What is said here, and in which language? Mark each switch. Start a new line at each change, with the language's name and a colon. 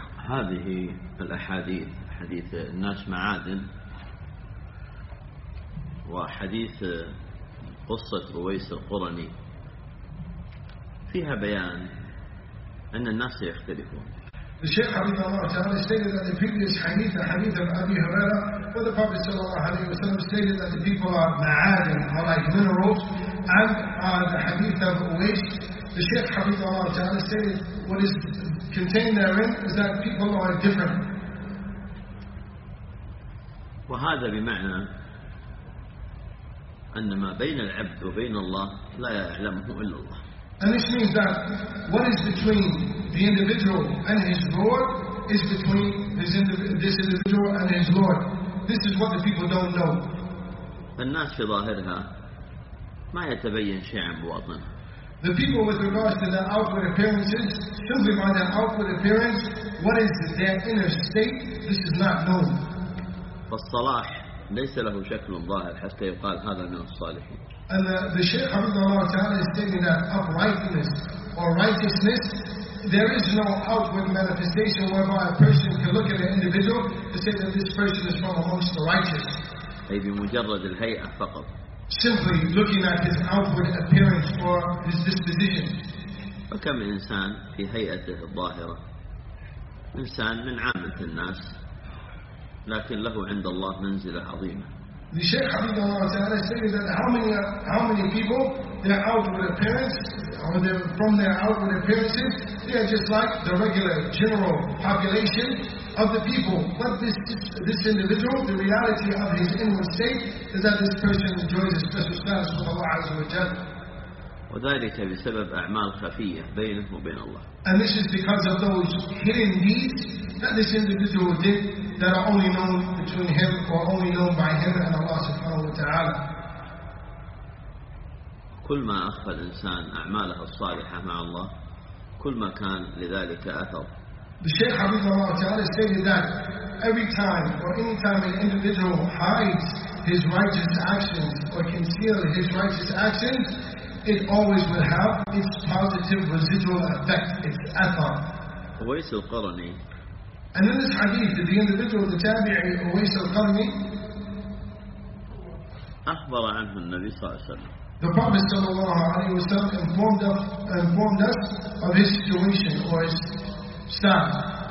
Arabic: هذه الأحاديث حديث الناس معادن وحديث قصة أويس القرني فيها بيان أن الناس يختلفون. الشيخ حفظه الله تعالى
English: stated that the previous
Arabic: حديث حديث أبي هريرة
English: with the Prophet
Arabic: صلى الله عليه وسلم
English: stated that the people are معادن or like minerals and the حديث of أويس. The Shaykh
Arabic: حفظه الله تعالى
English: stated what is contained therein is that people are different.
Arabic: وهذا بمعنى أن ما بين العبد وبين الله لا يعلمه إلا الله.
English: And this means that what is between the individual and his Lord is between this individual and his Lord. This is what the people don't know.
Arabic: الناس في ظاهرها ما يتبين شيء عن بواطنها.
English: The people with regards to their outward appearances, simply by their outward appearance, what is their inner state, this is not known.
Arabic: فالصلاح ليس له شكل ظاهر حتى يقال هذا من الصالحين.
English: And the Shaykh Abdullah Ta'ala is saying that uprightness or righteousness, there is no outward manifestation whereby a person can look at an individual and say that this person is from amongst the righteous.
Arabic: أي بمجرد الهيئة فقط.
English: Simply looking at his outward appearance or his disposition.
Arabic: فكم إنسان في هيئته الظاهرة إنسان من عامة الناس لكن له عند الله منزلة عظيمة.
English: The Shaykh Habibullah Ta'ala said that how many people their outward appearance or from their outward appearances they are just like the regular general population of the people. But this individual, the reality of his inward state is that this person enjoys a special status with Allah Azza wa Jalla.
Arabic: وذلك بسبب أعمال خفية بينه وبين الله.
English: And this is because of those hidden deeds that this individual did that are only known between him or only known by him and Allah subhanahu wa ta'ala.
Arabic: كل ما أخفى الإنسان أعماله الصالحة مع الله كل ما كان لذلك أثر.
English: The Shaykh Habibullah Ta'ala stated that every time or any time an individual hides his righteous actions or conceals his righteous actions, it always will have its positive residual effect, its athar.
Arabic: أويس القرني.
English: And in this hadith, the individual, the tabi'i, أويس القرني,
Arabic: أخبر عنه النبي صلى الله عليه وسلم.
English: The Prophet
Arabic: صلى الله عليه وسلم
English: informed us of his situation or his status.